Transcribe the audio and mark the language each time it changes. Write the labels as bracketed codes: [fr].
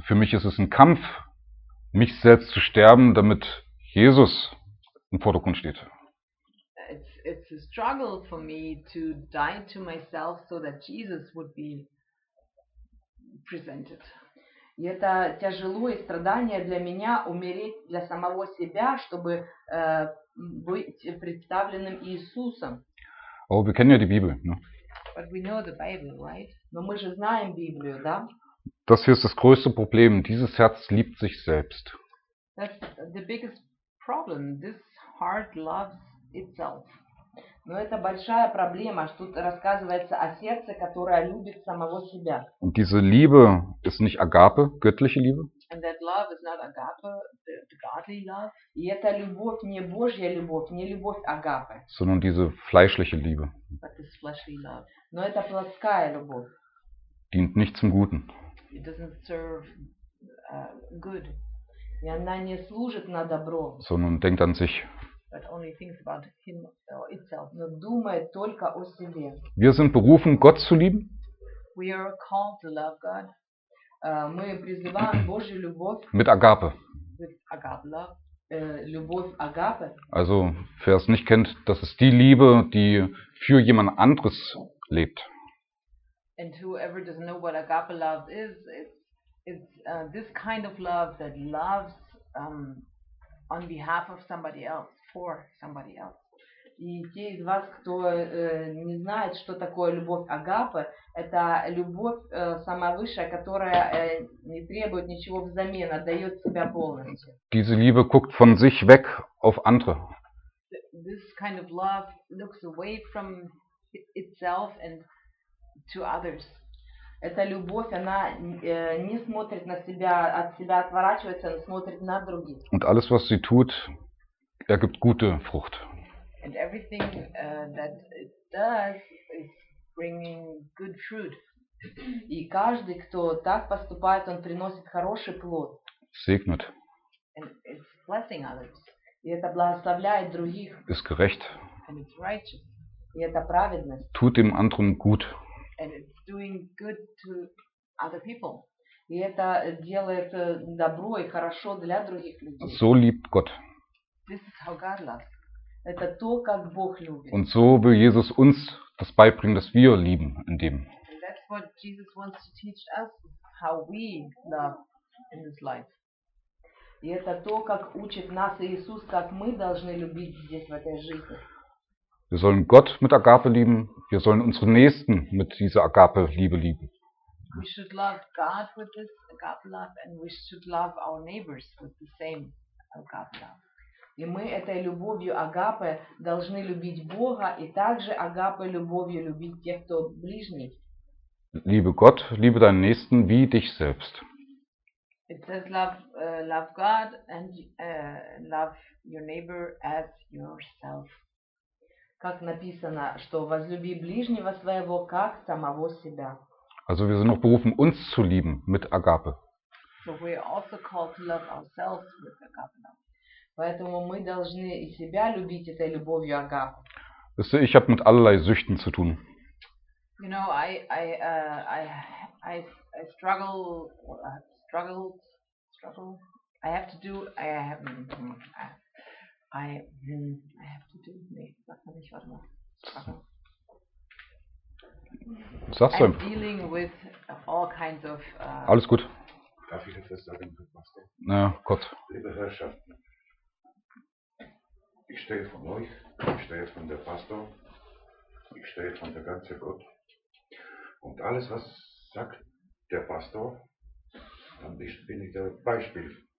[de] Für mich ist es ein Kampf, mich selbst zu sterben, damit Jesus im Vordergrund steht. [en] It's a struggle for me to die to myself so that Jesus would be presented. [ru] И это тяжело и страдание для меня умереть для самого себя, чтобы быть представленным Иисусом. [en] Oh, we know the Bible, no? But we know the Bible, right? [ru] Но мы же знаем Библию, да? [de] Das hier ist das größte Problem. Dieses Herz liebt sich selbst. [en] That's the biggest problem. This heart loves itself. [ru] Но это большая проблема, что тут рассказывается о сердце, которое любит самого себя. [de] Und diese Liebe ist nicht Agape, göttliche Liebe. [en] And that love is not Agape, the godly love. [ru] И это любовь не Божья любовь, не любовь Агапы. [de] Sondern diese fleischliche Liebe. [en] But this fleshly love. [ru] Но это плотская любовь. [de] Dient nicht zum Guten. [en] It doesn't serve good. [ru] И она не служит на добро. [de] Sondern denkt an sich. [en] But only thinks about him or itself. [ru] Но думает только о себе. [de] Wir sind berufen, Gott zu lieben. [en] We are called to love God. [ru] Мы призываем Божью любовь. [de] Mit Agape. [en] With Agape love. [ru] Любовь Агапы. [de] Also, wer es nicht kennt, das ist die Liebe, die für jemand anderes lebt. [en] And whoever doesn't know what agape love is, it's this kind of love that loves on behalf of somebody else, for somebody else. [ru] И те из вас, кто не знает, что такое любовь агапы, это любовь самая высшая, которая не требует ничего взамен, отдает себя полностью. [de] Diese Liebe guckt von sich weg auf andere. [en] This kind of love looks away from itself and to others. [ru] Эта любовь, она не смотрит на себя, от себя отворачивается, она смотрит на других. [de] Und alles, was sie tut, Er gibt gute Frucht. [en] And everything that it does is bringing good fruit. [ru] И каждый, кто так поступает, он приносит хороший плод. [de] Segnet. [en] And it's blessing others. [ru] И это благословляет других. [de] Ist gerecht. [en] And it's righteous. [ru] И это праведность. [de] Tut dem anderen gut. [en] And it's doing good to other people. [ru] И это делает добро и хорошо для других людей. [de] So liebt Gott. [en] This is how God loves. [ru] Это то, как Бог любит. [de] Und so will Jesus uns das beibringen, dass wir lieben in dem. [en] And that's what Jesus wants to teach us, how we love in this life. [ru] И это то, как учит нас Иисус, как мы должны любить здесь, в этой жизни. [de] Wir sollen Gott mit Agape lieben, wir sollen unseren Nächsten mit dieser Agape-Liebe lieben. [en] We should love God with this agape love and we should love our neighbors with the same agape love. [ru] И мы этой любовью агапе должны любить Бога и также агапе любовью любить тех, кто ближний. [de] Liebe Gott, liebe deinen Nächsten wie dich selbst. [en] It says love, love God and love your neighbor as yourself. [ru] Как написано, что возлюби ближнего своего как самого себя. [de] Also wir sind auch berufen, uns zu lieben mit Agape. [en] So we are also called to love ourselves with agape. [ru] Поэтому мы должны и себя любить этой любовью агапе. [de] Wisst ihr, ich habe mit allerlei Süchten zu tun. [en] You know, I'm dealing with all kinds of [de] alles gut. Darf ich etwas sagen, Pastor? Na, kurz. Liebe Herrschaften, ich stehe von euch, ich stehe von der Pastor, ich stehe von der ganze Gott. Und alles, was sagt der Pastor, dann bin ich der Beispiel.